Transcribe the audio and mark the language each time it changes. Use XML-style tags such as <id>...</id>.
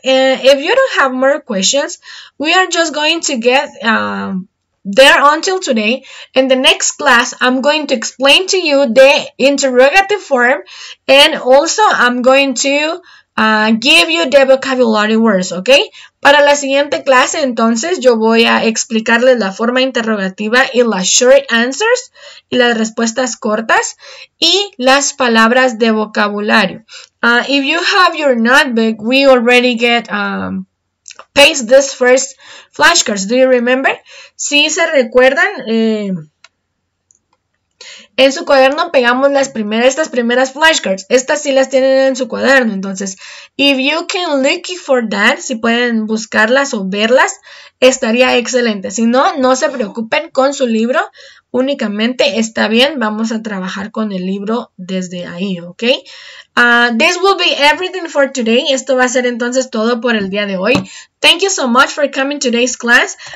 <en>If you don't have more questions, we are just going to get there until today. In the next class, I'm going to explain to you the interrogative form. And also, I'm going to give you the vocabulary words, okay?</en> <es>Para la siguiente clase, entonces, yo voy a explicarles la forma interrogativa y las short answers y las respuestas cortas y las palabras de vocabulario.</es> <en>If you have your notebook, we already get paste this first flashcards. Do you remember?</en> <es>Si se recuerdan, En su cuaderno pegamos estas primeras flashcards. Estas sí las tienen en su cuaderno. Entonces,</es> <en>if you can look for that,</en> <es>si pueden buscarlas o verlas, estaría excelente. Si no, no se preocupen con su libro. Únicamente está bien. Vamos a trabajar con el libro desde ahí, ¿ok?</es> <en>This will be everything for today.</en> <es>Esto va a ser entonces todo por el día de hoy.</es> <en>Thank you so much for coming today's class.</en>